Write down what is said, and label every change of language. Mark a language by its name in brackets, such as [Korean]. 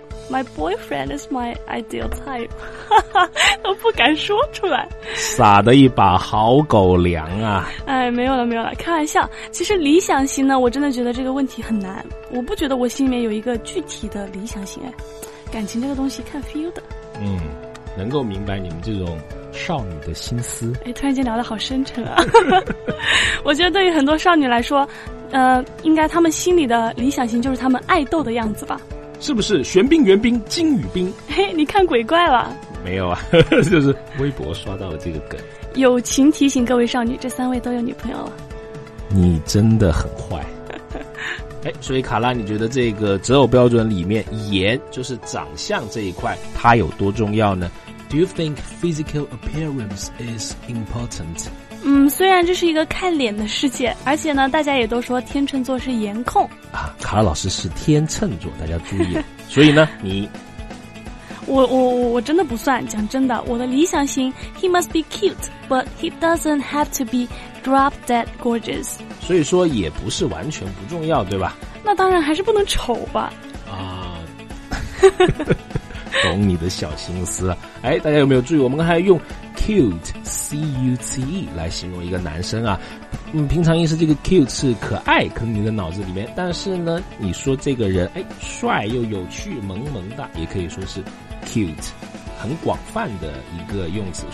[English] My boyfriend is my ideal type， [Chinese] 都不敢说出来。撒的一把好狗粮啊！哎，没有了，没有了，开玩笑。其实理想型呢，我真的觉得这个问题很难。我不觉得我心里面有一个具体的理想型。哎，感情这个东西看 feel 的。嗯，能够明白你们这种少女的心思。哎，突然间聊得好深沉啊！我觉得对于很多少女来说，应该他们心里的理想型就是他们爱豆的样子吧。是不是玄彬元彬金宇彬？嘿，你看鬼怪了？没有啊，呵呵，就是微博刷到了这个梗。友情提醒各位少女，这三位都有女朋友了。你真的很坏。哎所以卡拉，你觉得这个择偶标准里面颜，就是长相这一块，它有多重要呢？ [English] Do you think physical appearance is important？ [Chinese] 虽然这是一个看脸的世界，而且呢大家也都说天秤座是颜控啊。卡尔老师是天秤座，大家注意。所以呢你我真的不算，讲真的，我的理想型 [English] he must be cute but he doesn't have to be drop dead gorgeous。 [Chinese] 所以说也不是完全不重要，对吧？那当然还是不能丑吧。啊，懂你的小心思了。哎，大家有没有注意我们刚才用cute C-U-T-E 来形容一个男生啊。平常意思这个 cute 是可爱，可能你的脑子里面，但是呢你说这个人哎帅又有趣萌萌的，也可以说是 cute， 很广泛的一个用词。